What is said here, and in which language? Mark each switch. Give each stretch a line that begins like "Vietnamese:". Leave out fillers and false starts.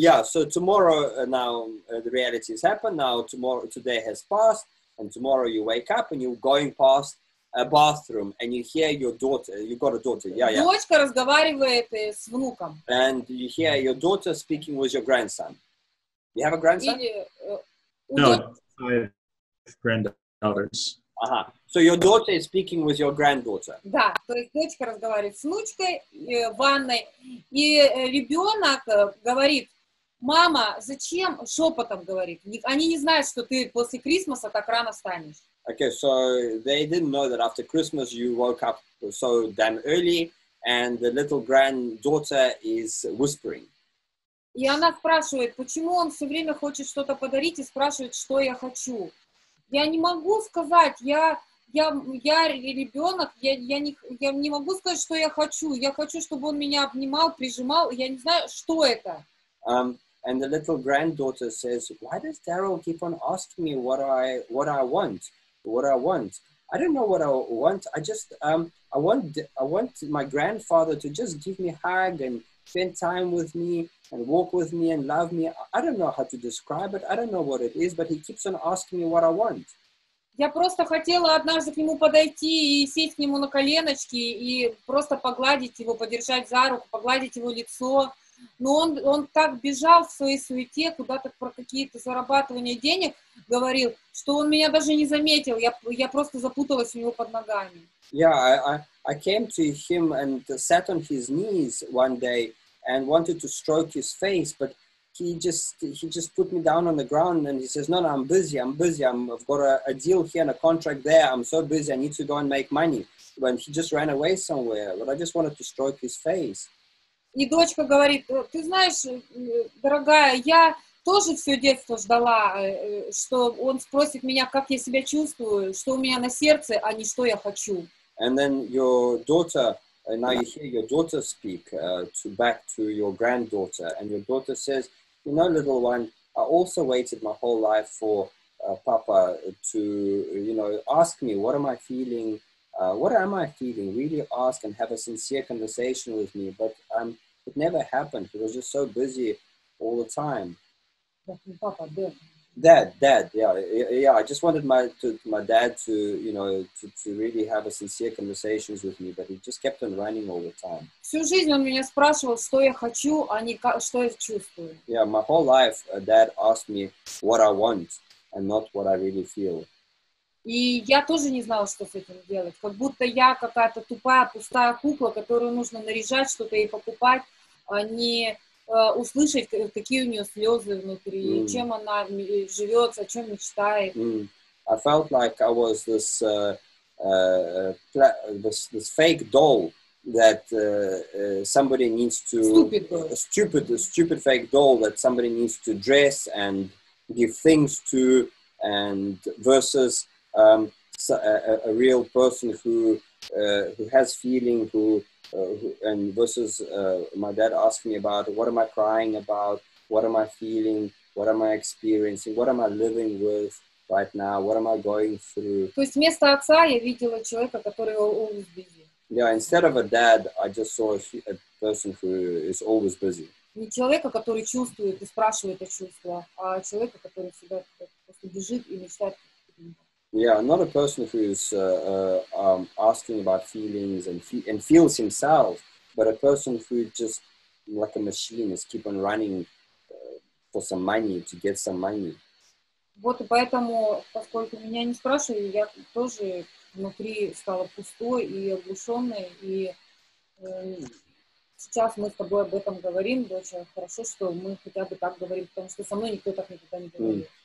English: So tomorrow now the reality has happened, now tomorrow, today has passed, and tomorrow you wake up and you're going past a bathroom, and you hear your daughter. You got a daughter. Yeah.
Russian: Дочка разговаривает с внуком.
English: And you hear your daughter speaking with your grandson. You have a grandson? I have granddaughters. Aha. So your daughter is speaking with your granddaughter.
Russian: Да, то есть дочка разговаривает с внучкой в ванной, и ребенок говорит: "Мама, зачем?" Шепотом говорит. Они не знают, что ты после Крисмаса так рано встанешь.
English: Okay, so they didn't know that after Christmas you woke up so damn early, and the little granddaughter is whispering.
Russian: И она спрашивает, почему он все время хочет что-то подарить и спрашивает, что я хочу. Я не могу сказать, я ребенок, я не могу сказать, что я хочу. Я хочу, чтобы он меня обнимал, прижимал. Я не знаю, что это.
English: And the little granddaughter says, why does Daryl keep on asking me what I want? What I want. I don't know what I want. I want my grandfather to just give me a hug and spend time with me and walk with me and love me. I don't know how to describe it. I don't know what it is, but he keeps on asking me what I want.
Russian: Я просто хотела однажды к нему подойти и сесть к нему на коленочки и просто погладить его, подержать за руку, погладить его лицо. Но он так бежал в своей суете, куда-то про какие-то зарабатывания денег говорил, что он меня даже не заметил. Я просто запуталась у него под ногами.
English: Yeah, I came to him and sat on his knees one day and wanted to stroke his face, but he just put me down on the ground and he says, no, I'm busy. I've got a deal here and a contract there. I'm so busy. I need to go and make money. When he just ran away somewhere, but I just wanted to stroke his face.
Russian: И дочка говорит, ты знаешь, дорогая, я тоже все детство ждала, что он спросит меня, как я себя чувствую, что у меня на сердце, а не что я хочу.
English: And then your daughter, and now you hear your daughter speak to back to your granddaughter, and your daughter says, you know, little one, I also waited my whole life for Papa to, you know, ask me, what am I feeling? What am I feeling? Really ask and have a sincere conversation with me. But it never happened. He was just so busy all the time. Dad, yeah. I just wanted my dad to, you know, to really have a sincere conversation with me, but he just kept on running all the time.
Russian: Всю жизнь он меня спрашивал, что я хочу, а не что я чувствую.
English: Yeah, my whole life, dad asked me what I want and not what I really feel.
Russian: И я тоже не знала, что с этим делать. Как будто я какая-то тупая, пустая кукла, которую нужно наряжать, что-то ей покупать, а не услышать, какие у нее слезы внутри, mm. чем она живет, о чем мечтает. Mm.
English: I felt like I was this this fake doll that somebody needs to a stupid fake doll that somebody needs to dress and give things to and versus a real person who has feeling who and versus my dad asking me about what am I crying about, what am I feeling, what am I experiencing, what am I living with right now, what am I going through.
Russian: То есть вместо отца я видела человека, который always busy.
English: Yeah, instead of a dad, I just saw a person who is always busy.
Russian: Не человека, который чувствует и спрашивает о чувствах, а человека, который всегда просто бежит и мечтает.
English: Yeah, not a person who is asking about feelings and feels himself, but a person who just like a machine is keep on running for some money to get some money.
Russian: Вот поэтому, поскольку меня не спрашивали, я тоже внутри стала пустой и оглушенной. И сейчас мы с тобой об этом говорим, дочь. Хорошо, что мы хотя бы так говорим, потому что со мной никто так никогда не говорил.